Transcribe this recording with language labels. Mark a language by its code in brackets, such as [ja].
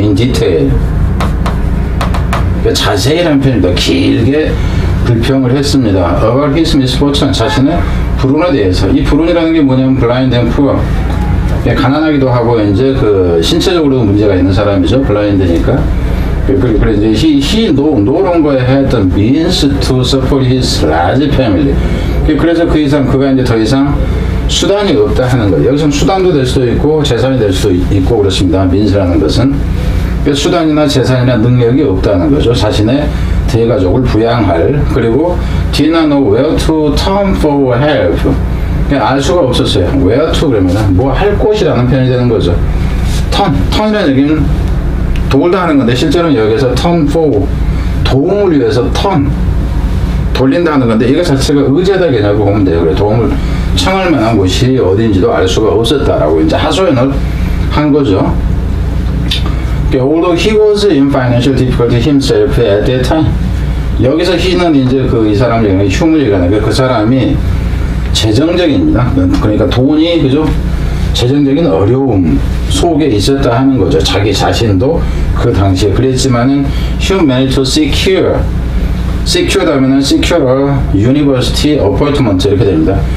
[en] in detail. [ko] 그러니까 자세히라는 표현입니다. 길게 불평을 했습니다. [en] about his misfortune. [ko] 자신의 불운에 대해서. 이 불운이라는 게 뭐냐면 [en] blind and poor. [ko] 그러니까 가난하기도 하고, 이제 그 신체적으로 문제가 있는 사람이죠. blind니까. [en] 그래서 he no longer had the means to support his large family. [ko] 그래서 그 이상 그가 이제 더 이상 수단이 없다 하는 거예요. 여기서 수단도 될 수도 있고 재산이 될 수도 있고 그렇습니다. means라는 것은 수단이나 재산이나 능력이 없다는 거죠. 자신의 대가족을 부양할, 그리고 [en] did not know where to turn for help. [ko] 알 수가 없었어요. where to 그러면 뭐 할 곳이라는 표현이 되는 거죠. turn이라는 얘기는 돌다 하는 건데, 실제로는 여기에서 turn for, 도움을 위해서 turn, 돌린다 하는 건데, 이거 자체가 의제다 개념으로 보면 돼요. 그래, 도움을 청할 만한 곳이 어딘지도 알 수가 없었다라고 이제 하소연을 한 거죠. [en] Although he was in financial difficulty himself at that time. [ko] 여기서 he는 이제 그 이 사람 얘기는 흉을 얘기하는 게, 그 사람이 재정적입니다. 그러니까 돈이, 그죠? 재정적인 어려움 속에 있었다 하는 거죠. 자기 자신도 그 당시에 그랬지만은 [en] he managed to secure 다면은 secure a university appointment 이렇게 됩니다.